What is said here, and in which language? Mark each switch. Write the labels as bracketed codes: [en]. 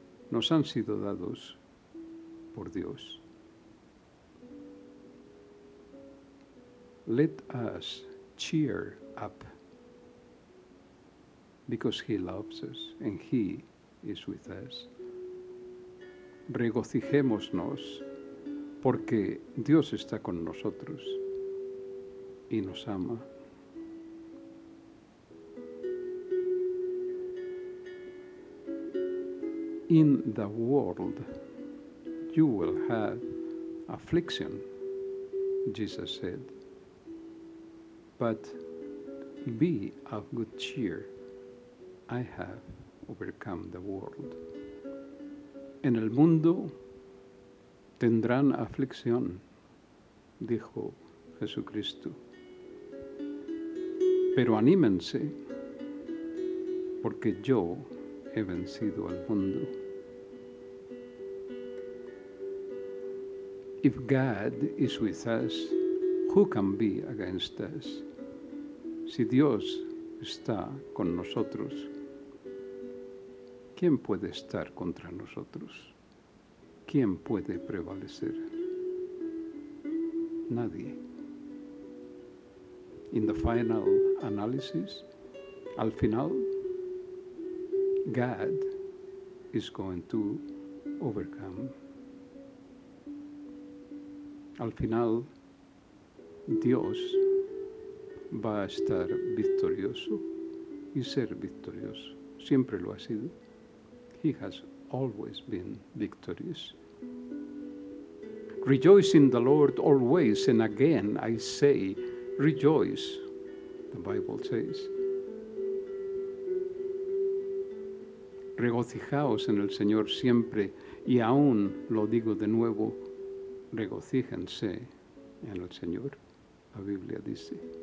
[es] Nos han sido dados por Dios. [en] Let us cheer up because he loves us and he is with us. [es] Regocijémonos porque Dios está con nosotros y nos ama. [en] in the world you will have affliction, Jesus said. But be of good cheer, I have overcome the world. [es] En el mundo tendrán aflicción, dijo Jesucristo. Pero anímense, porque yo he vencido al mundo. [en] If God is with us, who can be against us? [es] Si Dios está con nosotros, ¿quién puede estar contra nosotros? ¿Quién puede prevalecer? Nadie. [en] In the final analysis, [es] al final, [en] God is going to overcome. [es] Al final, Dios va a estar victorioso y ser victorioso. Siempre lo ha sido. [en] He has always been victorious. Rejoice in the Lord always, and again I say, rejoice, the Bible says. [es] Regocijaos en el Señor siempre, y aún lo digo de nuevo, regocíjense en el Señor, la Biblia dice.